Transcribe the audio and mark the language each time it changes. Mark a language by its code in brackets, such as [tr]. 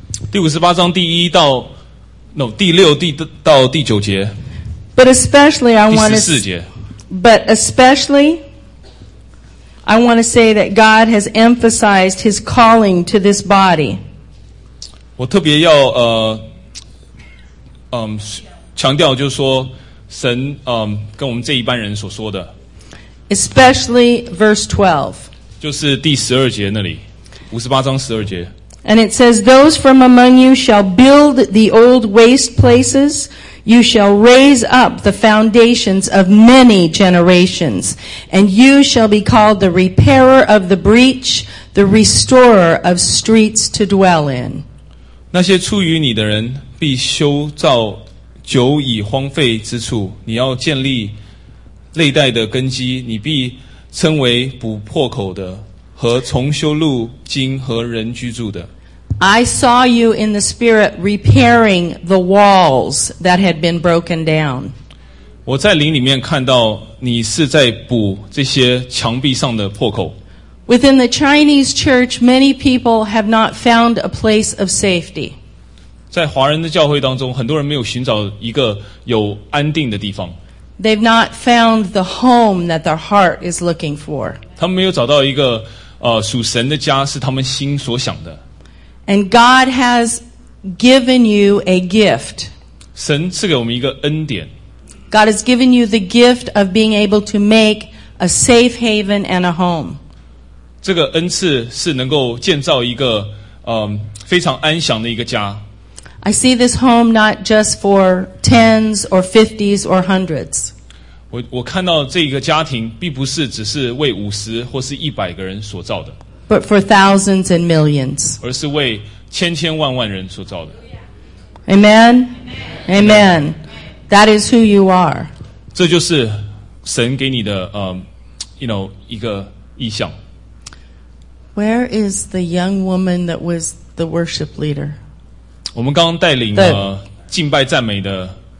[zh] 第五十八章第一到 [en] no, [zh] 第六第到第九节。 [en] But especially I want to [zh] 第十四节。 [en] But especially,I want to say that God has emphasized his calling to this body. [zh] 我特别要强调就是说神跟我们这一班人所说的。 [en] Especially verse 12. [zh] 就是第十二节那里。五十八章十二节。 [en] And it says, those from among you shall build the old waste places. You shall raise up the foundations of many generations, and you shall be called the repairer of the breach, the restorer of streets to dwell in. [zh] 那些出于你的人必修造久已荒废之处，你要建立历代的根基，你必称为补破口的和重修路经和人居住的。 [en] I saw you in the spirit repairing the walls that had been broken down. [zh] 我在灵里面看到你是在补这些墙壁上的破口。 [en] Within the Chinese church, many people have not found a place of safety. [zh] 在华人的教会当中，很多人没有寻找一个有安定的地方。 [en] They've not found the home that their heart is looking for. [zh] 他们没有找到一个属神的家是他们心所想的。 [en] And God has given you a gift. [zh] 神赐给我们一个恩典。 [en] God has given you the gift of being able to make a safe haven and a home. [zh] 这个恩赐是能够建造一个非常安详的一个家。 [en] I see this home not just for tens or fifties or hundreds. [zh] 我看到这个家庭并不是只是为五十或是一百个人所造的。 [en] But for thousands and millions. [zh] 而是为千千万万人所造的。 [en] Amen? Amen. Amen. That is who you are. [zh] 这就是神给你的一个意象。 [en] Where is the young woman that was the worship leader? [zh] 我们刚刚带领了敬拜赞美的。